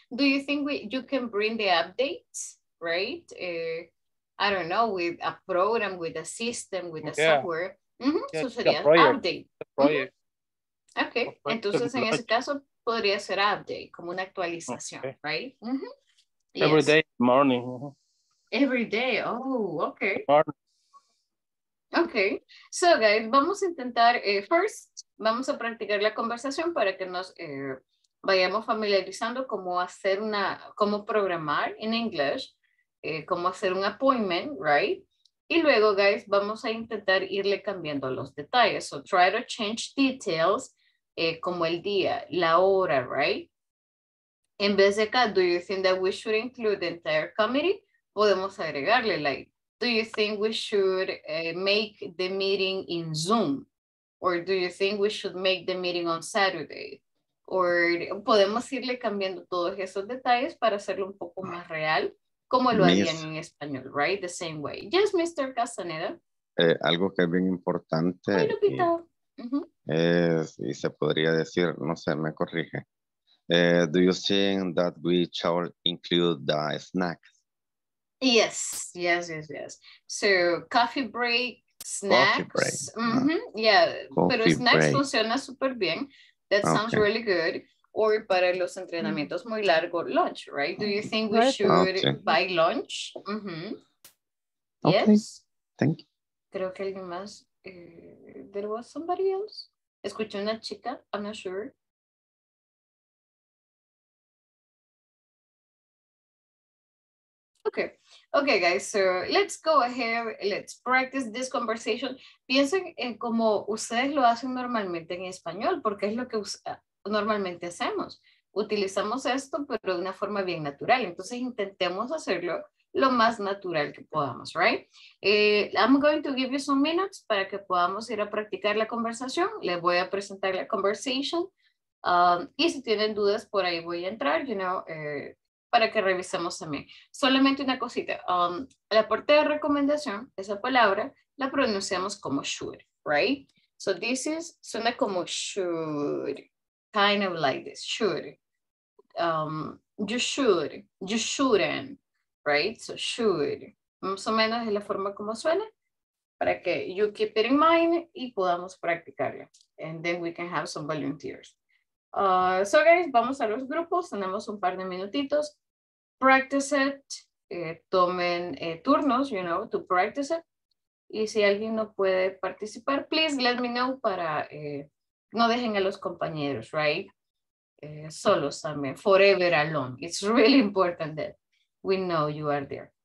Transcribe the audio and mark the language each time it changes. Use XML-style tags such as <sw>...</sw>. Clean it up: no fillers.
<en>Do you think you can bring the updates, right? I don't know, with a program, with a system, with a software. Mm-hmm. Yeah, so sería update. Project. Mm-hmm.</en> <es>Okay, entonces en ese caso podría ser update, como una actualización, okay.</es> <en>Right? Mm-hmm. Every day, morning. Every day, oh, okay. Morning.</en> <es>Okay, so guys, vamos a intentar, first, vamos a practicar la conversación para que nos... vayamos familiarizando cómo hacer una, cómo programar en inglés, cómo hacer un appointment, right? Y luego, guys, vamos a intentar irle cambiando los detalles.</es> <en>So try to change details,</en> <es>como el día, la hora,</es> <en>right?</en> <es>En vez de acá,</es> <en>do you think that we should include the entire committee?</en> <es>Podemos agregarle,</es> <en>like, do you think we should make the meeting in Zoom? Or do you think we should make the meeting on Saturday?</en> <es>Or podemos irle cambiando todos esos detalles para hacerlo un poco más real, como lo harían en español, right?</es> <en>The same way. Yes, Mr. Castaneda.</en> <es>Algo que es bien importante. Ay, Lupita. Y se podría decir, no sé, me corrige.</es> <en>Do you think that we should include the snacks? Yes, yes, yes, yes. So, coffee break, snacks. Coffee break. Mm-hmm. Yeah, coffee pero snacks break.</en> <es>Funciona súper bien.</es> <en>That sounds okay. Really good.</en> <es>Or para los entrenamientos muy largos, lunch, right?</es> <en>Do you think we should buy lunch? Mm-hmm. Okay. Yes. Thank you.</en> <es>Creo que alguien más.</es> <en>There was somebody else.</en> <es>Escuché una chica,</es> <en>I'm not sure. Okay, guys, so let's go ahead, let's practice this conversation.</en> <es>Piensen en cómo ustedes lo hacen normalmente en español, porque es lo que normalmente hacemos. Utilizamos esto, pero de una forma bien natural. Entonces, intentemos hacerlo lo más natural que podamos, right?</es> <en>I'm going to give you some minutes</en> <es>para que podamos ir a practicar la conversación. Les voy a presentar la conversation. Y si tienen dudas, por ahí voy a entrar,</es> <en>you know,</en> <es>para que revisemos también. Solamente una cosita. La parte de recomendación, esa palabra, la pronunciamos como should, right?</es> <en>So this is,</en> <es>suena como</es> <en>should, kind of like this, should. You should, you shouldn't, right?</en> <es>So should, más o menos es la forma como suena, para que</es> <en>you keep it in mind</en> <es>y podamos practicarlo.</es> <en>And then we can have some volunteers.</en> <es>So guys, vamos a los grupos, tenemos un par de minutitos.</es> <en>Practice it,</en> <es>tomen turnos,</es> <en>you know, to practice it.</en> <es>Y si alguien no puede participar,</es> <en>please let me know</en> <es>para no dejen a los compañeros, right? Solos también,</es> <en>forever alone. It's really important that we know you are there.</en>